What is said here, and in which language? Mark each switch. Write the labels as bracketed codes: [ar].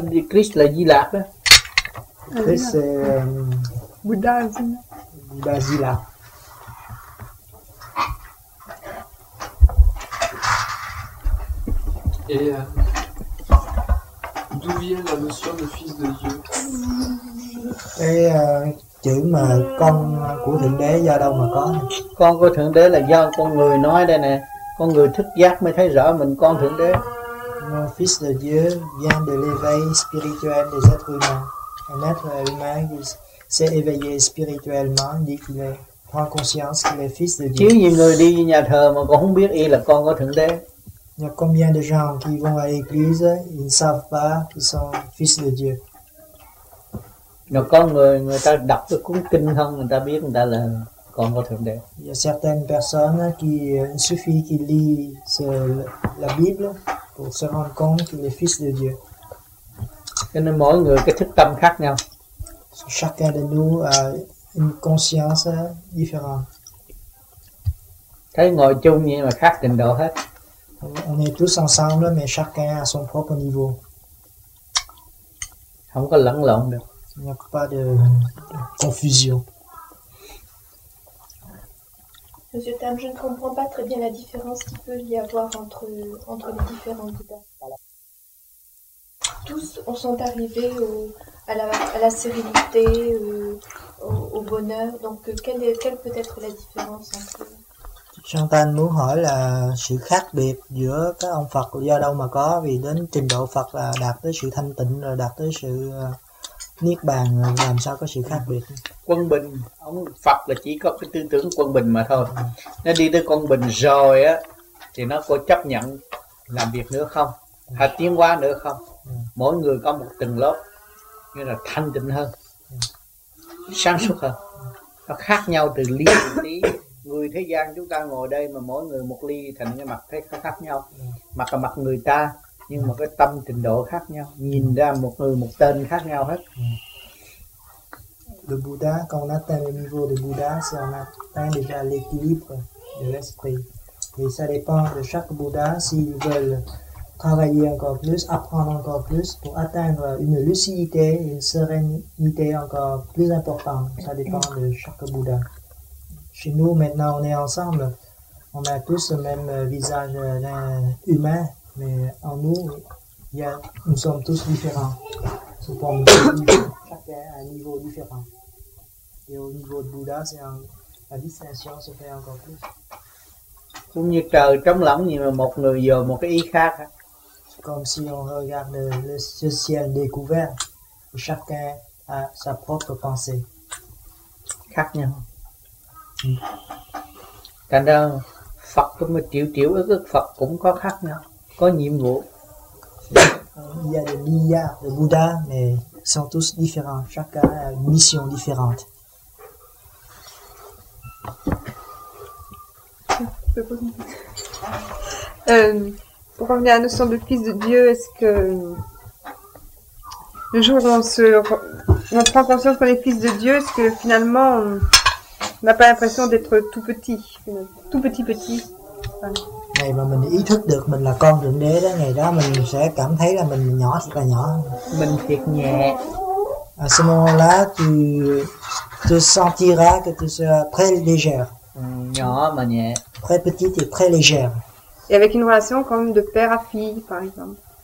[fr] Le Christ l'a dit là. Le Christ, c'est... Bouddha. Bouddha, dit là. Et d'où vient la notion de fils de Dieu? [vi] Et chữ mà con của Thượng Đế do đâu mà có? Con của Thượng Đế là do con người nói đây nè. Con người thức giác mới thấy rõ mình con Thượng Đế. [fr] Fils de Dieu vient de l'éveil spirituel des êtres humains. Un être humain qui s'est éveillé spirituellement dit qu'il est, prend conscience qu'il est fils de Dieu. [vi] Chứ nhiều người đi nhà thờ mà còn không biết y là con của Thượng Đế. [fr] Il y a combien de gens qui vont à l'église, ils ne savent pas qu'ils sont fils de Dieu. Il y a [vi] con người, người ta đọc cái cuốn kinh không, người ta biết người ta là con của Thượng Đế. [fr] Il y a certaines personnes qui, il suffit qu'ils lisent la Bible pour se rendre compte qu'il est fils de Dieu. [vi] Et nên mỗi người cái thức tâm khác nhau. [fr] So, chacun de nous a une conscience différente. [vi] Thấy ngồi chung nhưng mà khác trình độ hết. [fr] On est tous ensemble, mais chacun à son propre niveau. [vi] Không có lẫn lộn được. [fr] Il n'y a pas de confusion. Monsieur Tam, je ne comprends pas très bien la différence qu'il peut y avoir entre les différents Bouddhas. Voilà. Tous sont arrivés à la sérénité, au bonheur. Donc, quelle peut être la différence entre eux? [vi] Chantan muốn hỏi là sự khác biệt giữa các ông Phật do đâu mà có, vì đến trình độ Phật là đạt tới sự thanh tịnh rồi đạt tới sự niết bàn, làm sao có sự khác biệt? Quân bình, ông Phật là chỉ có cái tư tưởng quân bình mà thôi. Nó đi tới quân bình rồi á thì nó có chấp nhận làm việc nữa không, hay tiến hóa nữa không. Mỗi người có một tầng lớp nghĩa là thanh tịnh hơn, sáng suốt hơn. Nó khác nhau từ lý đến tí. Người thế gian chúng ta ngồi đây mà mỗi người một ly thành cái mặt thấy khác nhau. Mặt là mặt người ta, nhưng mà cái tâm trình độ khác nhau. Nhìn ra một người một tên khác nhau hết. [fr] Le Bouddha, quand on atteint le niveau de Bouddha, c'est on atteint déjà l'équilibre de l'esprit. Et ça dépend de chaque Bouddha s'ils veulent travailler encore plus, apprendre encore plus pour atteindre une lucidité, une sérénité encore plus importante. Ça dépend de chaque Bouddha. Chez nous, maintenant, on est ensemble. On a tous le même visage humain, mais en nous, nous sommes tous différents. Nous sommes chacun à un niveau différent. Et au niveau de Bouddha, la distinction se fait encore plus. [vi] Cũng như trời trống lắng, nhưng mà một người dò một cái ý khác. [fr] Comme si on regarde le ciel découvert, chacun a sa propre pensée. [vi] Khác nhau. Thành ra Phật cũng một triệu triệu ức Phật cũng có khác nhau, có nhiệm vụ. [fr] Il y a des milliards de Bouddhas, mais sont tous différents. Chacun a une mission différente. Pour revenir à la notion de fils de Dieu, est-ce que le jour où on prend conscience qu'on est fils de Dieu, est-ce que finalement on n'a pas l'impression d'être tout petit. [vi] Ngày mà mình ý thức được mình là con Thượng Đế đó, ngày đó mình sẽ cảm thấy là mình nhỏ thiệt là nhỏ. Mình thiệt nhẹ. [fr] À ce moment-là, tu te sentiras que tu seras très légère. [vi] Nhỏ mà nhẹ. [fr] Très petite et très légère. Et avec une relation comme de père à fille, par exemple.